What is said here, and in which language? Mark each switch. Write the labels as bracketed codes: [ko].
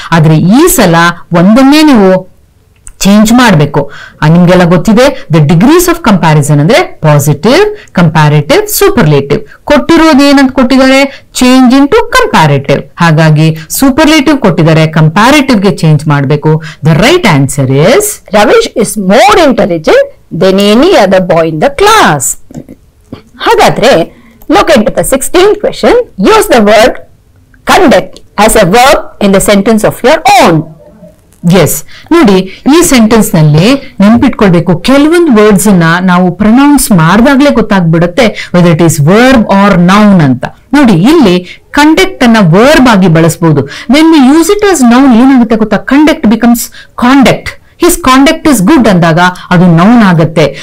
[kn] ಆದ್ರೆ ಈ ಸಲ ಒಂದನ್ನೇ ನೀವು ಚೇಂಜ್ ಮಾಡಬೇಕು. ನಿಮ್ಗೆಲ್ಲ ಗೊತ್ತಿದೆ ದ ಡಿಗ್ರೀಸ್ ಆಫ್ ಕಂಪ್ಯಾರಿಸನ್ ಅಂದ್ರೆ ಪಾಸಿಟಿವ್, ಕಂಪ್ಯಾರೇಟಿವ್, ಸೂಪರ್ಲೇಟಿವ್. ಕೊಟ್ಟಿರೋದು ಏನಂತ ಕೊಟ್ಟಿದ್ದಾರೆ? [en] Change in to comparative. [kn] ಹಾಗಾಗಿ ಸೂಪರ್ಲೇಟಿವ್ ಕೊಟ್ಟಿದ್ದಾರೆ, ಕಂಪ್ಯಾರೇಟಿವ್ ಗೆ ಚೇಂಜ್ ಮಾಡಬೇಕು. [en] The right answer is Ravish is more intelligent than any other boy in the class. Hagadre, look into the 16th question. Use the word conduct as a verb in the sentence of your own. [kn] S, ನೋಡಿ ಈ sentence ನಲ್ಲಿ ನೆನ್ಪಿಟ್ಕೊಳ್ಬೇಕು, ಕೆಲವೊಂದು words ಅನ್ನ ನಾವು pronounce ಮಾಡಿದಾಗ್ಲೇ ಗೊತ್ತಾಗ್ಬಿಡುತ್ತೆ [en] whether it is verb or noun [kn] ಅಂತ. ನೋಡಿ ಇಲ್ಲಿ ಕಂಡಕ್ಟ್ ಅನ್ನ ವರ್ಬ್ ಆಗಿ ಬಳಸಬಹುದು. [en] when we use it as noun [kn] ಏನಾಗುತ್ತೆ ಗೊತ್ತಾ? [en] Conduct becomes conduct. His conduct is good [kn] ಅಂದಾಗ ಅದು ನೌನ್ ಆಗುತ್ತೆ.